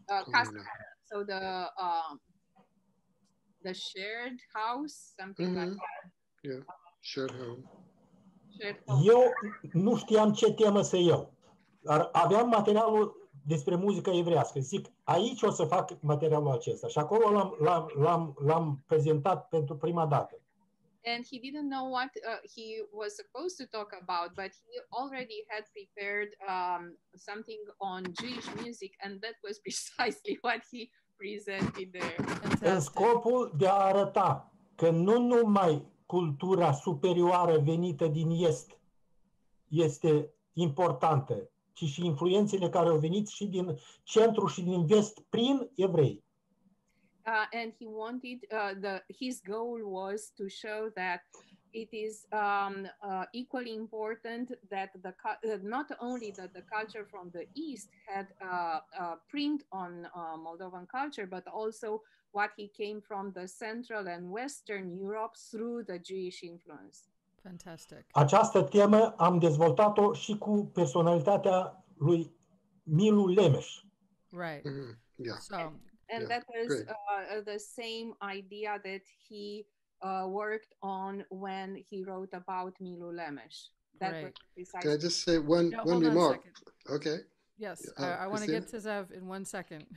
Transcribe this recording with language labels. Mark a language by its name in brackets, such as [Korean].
[English] Casa, so the shared house, something mm-hmm. like that. Yeah, shared home. [Romanian] Eu nu știam ce temă să iau, dar aveam materialul despre muzică evrească. Zic, aici o să fac materialul acesta. Și acolo l-am prezentat pentru prima dată. [English] And he didn't know what he was supposed to talk about, but he already had prepared something on Jewish music, and that was precisely what he presented there. [Romanian] În scopul de a arăta că nu numai cultura superioară venită din Est este importantă, ci și influențele care au venit și din centru și din vest prin evrei. [English] And he wanted his goal was to show that it is equally important that the not only that the culture from the East had a print on Moldovan culture, but also what he came from the Central and Western Europe through the Jewish influence. Fantastic. [Romanian] Această temă am dezvoltat-o și cu personalitatea lui Milu Lemeș. [English] Right. Mm-hmm. Yeah. So, and that was the same idea that he worked on when he wrote about Milu Lemesh. Can I just say one remark? Okay. Yes, I want to get to Zev in 1 second.